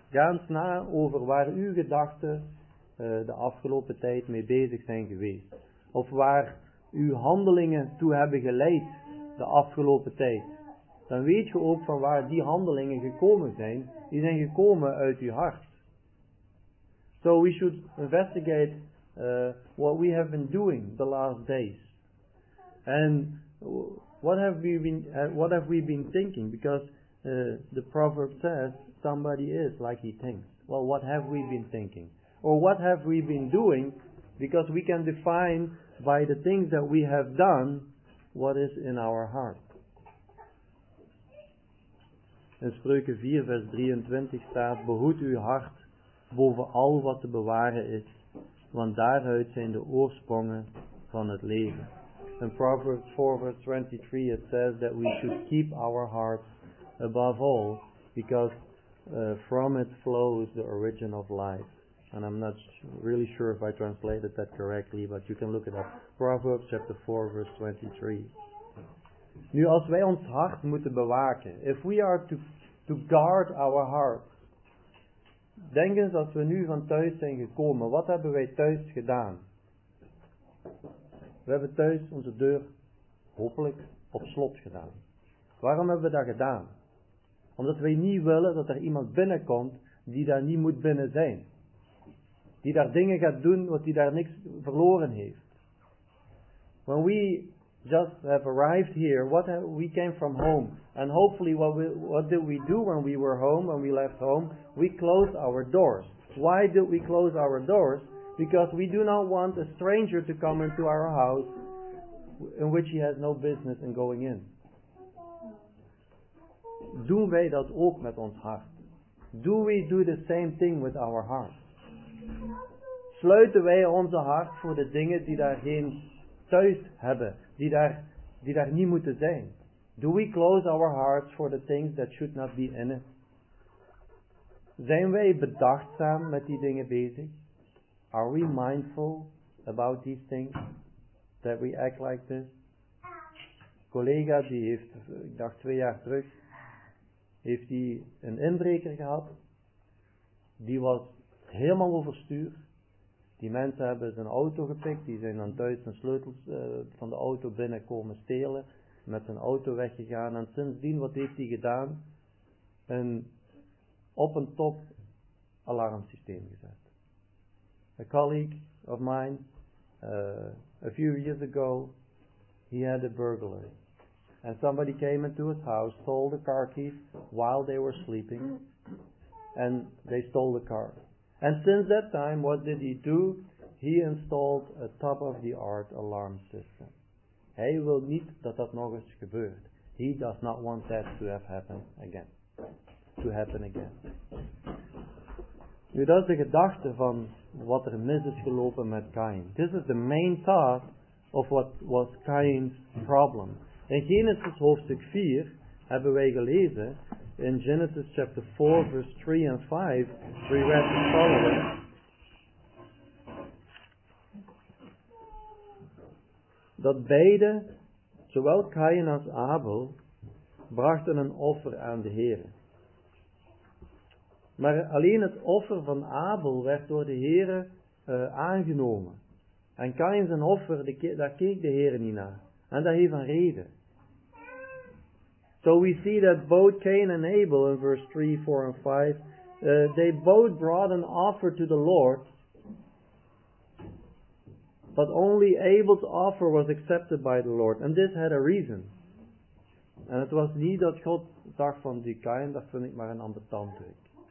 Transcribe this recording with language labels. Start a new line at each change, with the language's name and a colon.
Dutch: Ga eens na over waar uw gedachten de afgelopen tijd mee bezig zijn geweest. Of waar uw handelingen toe hebben geleid de afgelopen tijd. dan weet je ook van waar die handelingen gekomen zijn. Die zijn gekomen uit uw hart.
English: So we should investigate what we have been doing the last days. And what have we been thinking? Because the proverb says, somebody is like he thinks. Well, what have we been thinking? Or what have we been doing? Because we can define by the things that we have done what is in our heart.
Dutch: In Spreuken 4, vers 23 staat, behoed uw hart boven al wat te bewaren is, want daaruit zijn de oorsprongen van het leven.
English: In Proverbs 4, vers 23, it says that we should keep our hearts above all, because from it flows the origin of life. And I'm not really sure if I translated that correctly, but you can look it up. Proverbs chapter 4, verse 23.
Dutch: Nu, als wij ons hart moeten bewaken,
English: if we are to guard our hearts,
Dutch: denk eens als we nu van thuis zijn gekomen, wat hebben wij thuis gedaan? We hebben thuis onze deur hopelijk op slot gedaan. Waarom hebben we dat gedaan? Omdat wij niet willen dat er iemand binnenkomt die daar niet moet binnen zijn. Die daar dingen gaat doen wat die daar niks verloren heeft.
English: When we just have arrived here, we came from home. And hopefully what did we do when we were home, when we left home? We closed our doors. Why did we close our doors? Because we do not want a stranger to come into our house in which he has no business in going in.
Dutch: Doen wij dat ook met ons hart?
English: Do we do the same thing with our heart?
Dutch: Sluiten wij onze hart voor de dingen die daar geen thuis hebben, die daar niet moeten zijn?
English: Do we close our hearts for the things that should not be in it?
Dutch: Zijn wij bedachtzaam met die dingen bezig?
English: Are we mindful about these things? That we act like this?
Dutch: Een collega die heeft, ik dacht 2 jaar terug, heeft die een inbreker gehad. Die was helemaal overstuurd. Die mensen hebben zijn auto gepikt. Die zijn dan thuis zijn sleutels van de auto binnenkomen stelen. Met zijn auto weggegaan. En sindsdien, wat heeft hij gedaan? Een op een top alarmsysteem gezet.
English: A colleague of mine, a few years ago, he had a burglary. And somebody came into his house, stole the car keys while they were sleeping. And they stole the car. And since that time, what did he do? He installed a top-of-the-art alarm system.
Dutch: Hij wil niet dat dat nog eens gebeurt.
English: He does not want that to have happened again. To happen again.
Dutch: Nu, dat is de gedachte van wat er mis is gelopen met Cain.
English: This is the main thought of what was Cain's problem.
Dutch: In Genesis hoofdstuk 4 hebben wij gelezen.
English: In Genesis chapter 4, verse 3 and 5, we read the following.
Dutch: Dat beide, zowel Cain als Abel, brachten een offer aan de Heer. Maar alleen het offer van Abel werd door de Heer aangenomen. En Cain zijn offer, daar keek de Heer niet naar. En dat heeft een reden.
English: So we see that both Cain and Abel in verse 3, 4 and 5, they both brought an offer to the Lord, but only Abel's offer was accepted by the Lord. And this had a reason. And it was
Dutch: niet dat God dacht van die Cain, dat vind ik maar een ander tandwerk.